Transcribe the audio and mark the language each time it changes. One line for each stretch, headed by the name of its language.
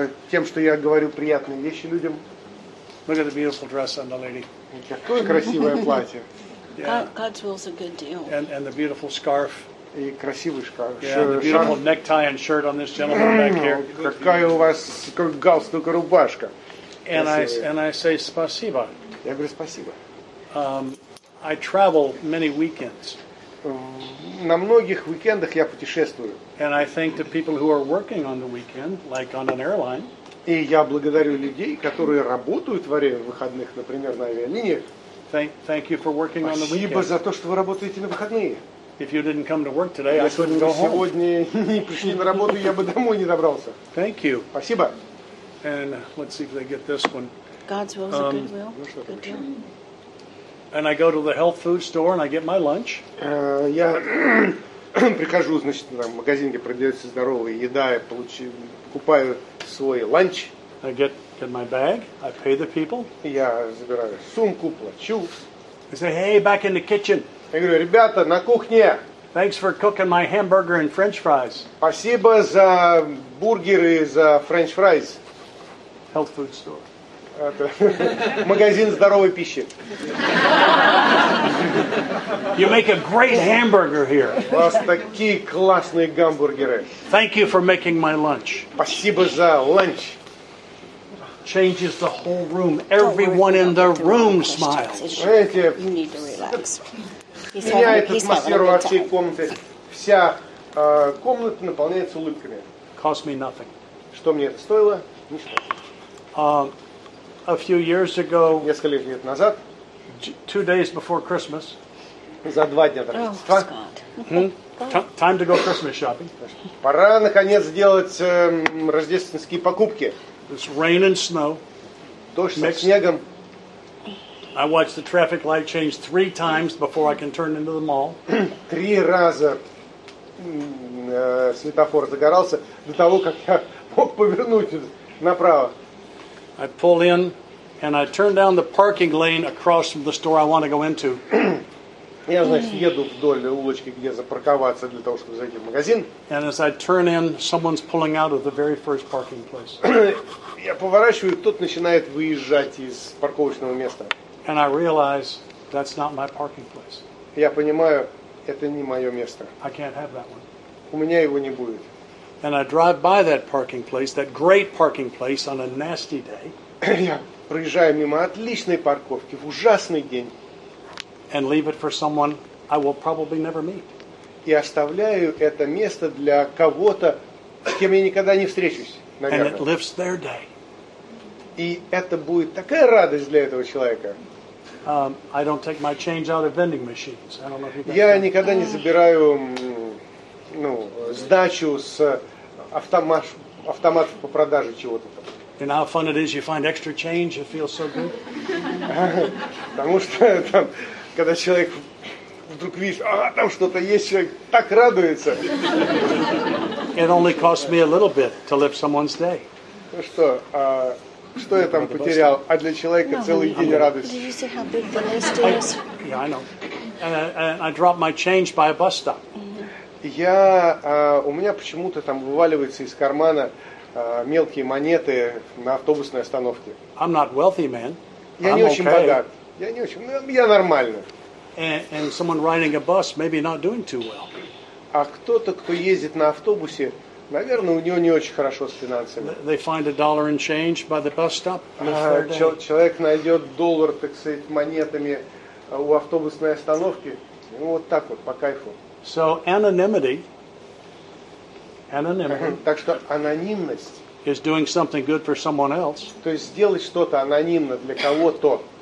Russian: Тем, что я говорю приятные вещи людям.
English: Look at the beautiful dress on the lady.
Russian: Какое красивое платье.
English: God's will is a good deal. And the beautiful scarf.
Russian: И красивый шарф.
English: Yeah, the beautiful necktie and shirt on this gentleman back here.
Russian: Какая у вас галстук и рубашка.
English: And I say спасибо.
Russian: Я говорю спасибо.
English: I travel many weekends.
Russian: На многих уикендах я путешествую.
English: And I think the people who are working on the weekend, like on an airline.
Russian: И я благодарю людей, которые работают во время выходных, например, на авиалиниях.
English: Thank you for working on the weekend.
Russian: Спасибо за то, что вы работаете на выходные.
English: If you didn't come to work today, I couldn't go home.
Russian: Сегодня не пришли на работу, я бы домой не добрался.
English: Thank you.
Russian: Спасибо.
English: And let's see if they get this one. God's will is a good will. Good deal. And I go to the health food store and I get my lunch.
Russian: Я прихожу, значит, в магазин, где продается здоровая еда, я покупаю свой ланч.
English: I get my bag. I pay the people.
Russian: Я забираю сумку, плачу.
English: I say, hey, back in the kitchen.
Russian: Я говорю, ребята, на кухне.
English: Thanks for cooking my hamburger and French fries.
Russian: Спасибо за бургеры, за French fries.
English: Health food store.
Russian: Магазин здоровой пищи.
English: You make a great hamburger here.
Russian: У вас такие классные гамбургеры.
English: Thank you for making my lunch. Спасибо за ланч. Changes the whole room. Everyone in the room smiles.
Russian: Знаете,
English: you need to relax.
Russian: Меняет атмосферу во всей комнате. Вся комната наполняется улыбками.
English: Cost me nothing.
Russian: Что мне это стоило? Ничего.
English: A few years ago.
Russian: Несколько лет назад.
English: Two days before Christmas. За два дня до Рождества. Oh, Scott. Time to go Christmas shopping.
Russian: Пора наконец сделать рождественские покупки.
English: It's rain and snow.
Russian: Дождь со снегом.
English: I watched the traffic light change three times before I can turn into the mall.
Russian: Три раза светофор загорался до того, как я мог повернуть направо.
English: I pull in and I turn down the parking lane across from the store I want to go into.
Russian: Я, значит, еду вдоль улочки, где запарковаться для того, чтобы зайти в магазин.
English: And as I turn in, someone's pulling out of the very first parking place.
Russian: Я поворачиваю, тот начинает выезжать из парковочного места.
English: And I realize that's not my parking place.
Russian: Я понимаю, это не мое место.
English: I can't have that one.
Russian: У меня его не будет.
English: And I drive by that parking place, that great parking place, on a nasty day.
Russian: Я проезжаю мимо отличной парковки в ужасный день.
English: And leave it for someone I will probably never meet.
Russian: И оставляю это место для кого-то, с кем я никогда не встречусь, наверное.
English: And it lifts their day.
Russian: И это будет такая радость для этого человека.
English: I don't take my change out of vending machines. I don't know if you.
Russian: Я никогда не забираю, ну, сдачу с автоматов по продаже чего-то.
English: You know how fun it is? You find extra change. It feels so good.
Russian: Потому что там. Когда человек вдруг видит, а там что-то есть, человек так радуется.
English: It only cost me a little bit to lift someone's day.
Russian: Ну что, что я там потерял? А для человека целый день радости.
English: Did you see how big the list is? Yeah, I know. And I dropped my change by a bus stop.
Russian: Я, у меня почему-то там вываливается из кармана мелкие монеты на автобусной остановке.
English: I'm not wealthy, man.
Russian: Я не очень богат. Я не очень, но я нормально.
English: And someone riding a bus maybe not doing too well.
Russian: А кто-то, кто ездит на автобусе, наверное, у него не очень хорошо с финансами.
English: They find a dollar in change by the bus stop.
Russian: Человек найдет доллар, так сказать, монетами у автобусной остановки. Ну, вот так вот, по кайфу.
English: So anonymity.
Russian: Так что анонимность.
English: Is doing something good for someone else.
Russian: То есть сделать что-то анонимно для кого-то.